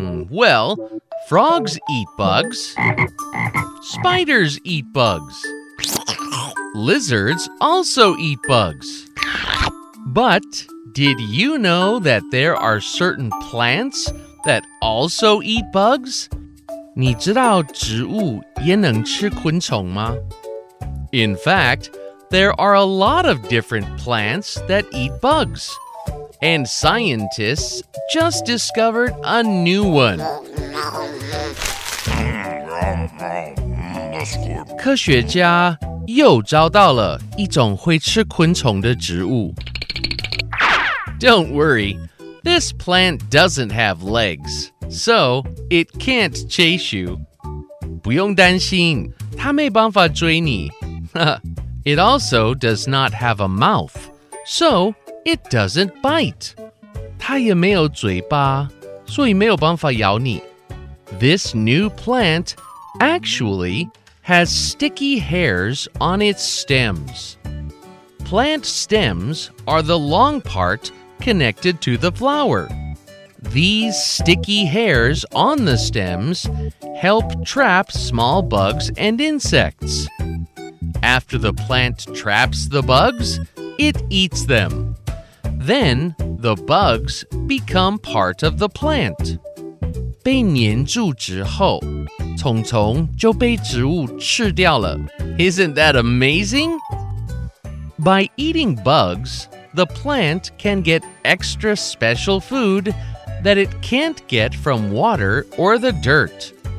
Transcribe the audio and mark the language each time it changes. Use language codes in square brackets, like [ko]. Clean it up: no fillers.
[en] Well, frogs eat bugs. Spiders eat bugs. Lizards also eat bugs. But did you know that there are certain plants that also eat bugs? [zh] 你知道植物也能吃昆虫吗? [en] In fact,There are a lot of different plants that eat bugs. And scientists just discovered a new one. [zh] 科学家又找到了一种会吃昆虫的植物。 [en] Don't worry, this plant doesn't have legs, so it can't chase you. [zh] 不用担心,它没办法追你。 [en] It also does not have a mouth, so it doesn't bite. [zh] 它也没有嘴巴,所以没有办法咬你。 [en] This new plant actually has sticky hairs on its stems. Plant stems are the long part connected to the flower. These sticky hairs on the stems help trap small bugs and insects. After the plant traps the bugs, it eats them. Then, the bugs become part of the plant. [zh] 被黏住之后,虫虫就被植物吃掉了。 [en] Isn't that amazing? By eating bugs, the plant can get extra special food that it can't get from water or the dirt.